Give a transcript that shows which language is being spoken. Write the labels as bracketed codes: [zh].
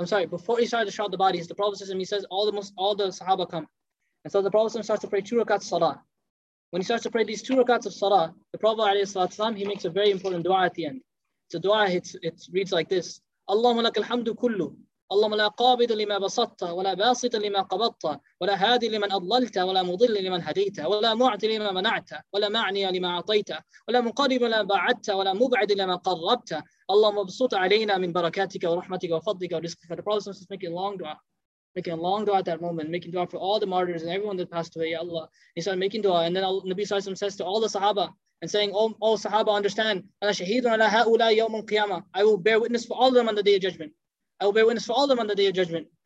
[en] Before he started to shroud the bodies, the Prophet says, all the Sahaba come. And so the Prophet starts to pray two rakats of Salah. When he starts to pray these two rakats of Salah, the Prophet, he makes a very important dua at the end. It's a dua, it reads like this. [ar] Allahumma lakal hamdu kullu. اللهم لا قابض لما بسطت ولا باسط لما قبضت ولا هادي لمن أضللت ولا مضل لمن هديت ولا معطي لما منعت ولا معني لما أعطيت ولا مقرب لما بعدت ولا مبعد لما قربت. اللهم ابسط علينا من بركاتك ورحمتك وفضلك ورزقك. [en] For the Prophet is making a long dua, making a long dua at that moment, making dua for all the martyrs and everyone that passed away. Ya Allah, he started making dua, and then Nabi Sallallahu Alaihi Wasallam says to all the Sahaba and saying, oh Sahaba, understand, [ar] أنا شهيد على هؤلاء يوم القيامة. [en] I will bear witness for all of them on the day of judgment. I will bear witness for all of them on the day of judgment.